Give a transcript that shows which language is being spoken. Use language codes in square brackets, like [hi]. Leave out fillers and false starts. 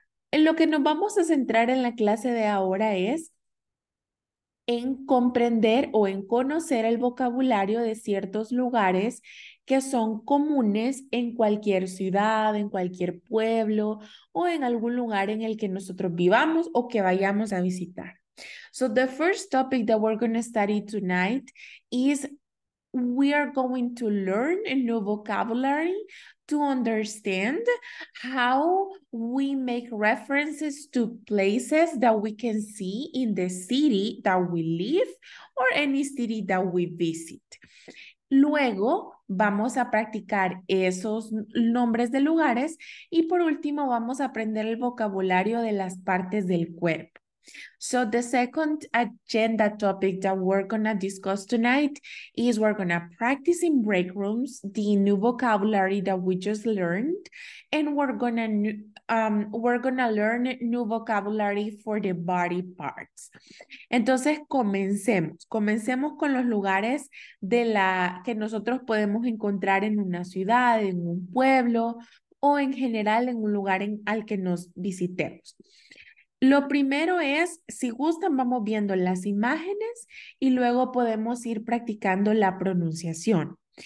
[es] En lo que nos vamos a centrar en la clase de ahora es en comprender o en conocer el vocabulario de ciertos lugares que son comunes en cualquier ciudad, en cualquier pueblo o en algún lugar en el que nosotros vivamos o que vayamos a visitar. [en] So the first topic that we're going to study tonight is we are going to learn a new vocabulary to understand how we make references to places that we can see in the city that we live or any city that we visit. [es] Luego vamos a practicar esos nombres de lugares y por último vamos a aprender el vocabulario de las partes del cuerpo. [en] So the second agenda topic that we're going to discuss tonight is we're going to practice in break rooms the new vocabulary that we just learned, and we're going to learn new vocabulary for the body parts. [es] Entonces, comencemos con los lugares de la que nosotros podemos encontrar en una ciudad, en un pueblo o en general en un lugar al que nos visitemos. Lo primero es, si gustan, vamos viendo las imágenes y luego podemos ir practicando la pronunciación.